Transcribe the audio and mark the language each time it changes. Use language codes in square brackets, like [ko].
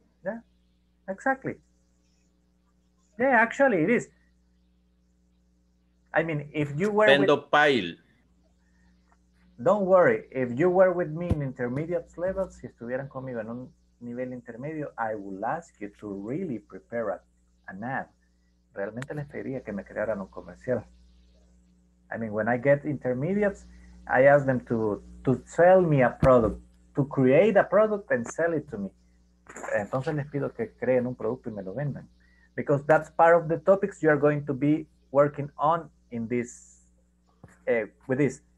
[en] Yeah, exactly. Yeah, actually it is. I mean, if you were... Vendo with... pile. Don't worry. If you were with me in intermediate levels, [es] si estuvieran conmigo en un nivel intermedio, [en] I will ask you to really prepare an ad. [es] Realmente les pediría que me crearan un comercial. [en] I mean, when I get intermediates, I ask them to sell me a product, to create a product and sell it to me. [es] Entonces les pido que creen un producto y me lo vendan. [en] Because that's part of the topics you are going to be working on in this, with this.